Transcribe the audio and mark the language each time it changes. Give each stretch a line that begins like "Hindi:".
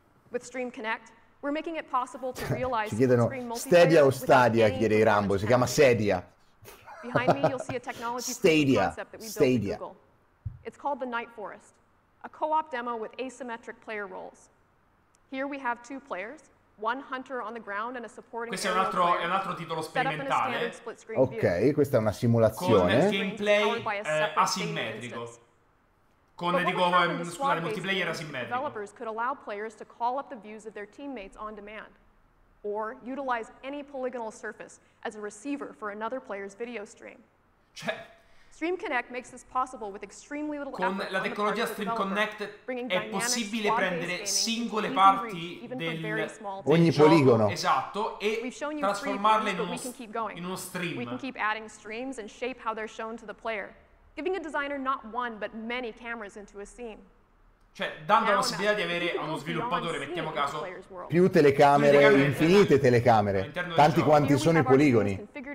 English: With Stream Connect, we're making it possible to realize
Italian: ci chiedono Stadia o Stadia, chiede Rambo, si chiama Sedia. Stadia.
English: It's called the Night Forest, a co-op demo with asymmetric player roles. Here we have two players, one hunter on the ground and a supporting
Italian: player. Questo è un altro titolo sperimentale. Ok, questa è una simulazione. Con il gameplay asimmetrico. Con, scusate, multiplayer asimmetrico.
English: Developers could allow players to call up the views of their teammates on demand, or utilize any polygonal surface as a receiver for another player's video stream.
Italian: Cioè,
English: Stream Connect makes this possible with extremely little
Italian: con la tecnologia Stream Connect è possibile prendere singole parti del ogni poligono, esatto, e trasformarle in uno stream.
English: We can keep adding streams and shape how they're shown to the player, giving a designer not one but many cameras into a scene.
Italian: Cioè, dando la possibilità di avere a uno sviluppatore, mettiamo caso, più telecamere, infinite telecamere, tanti quanti sono i poligoni.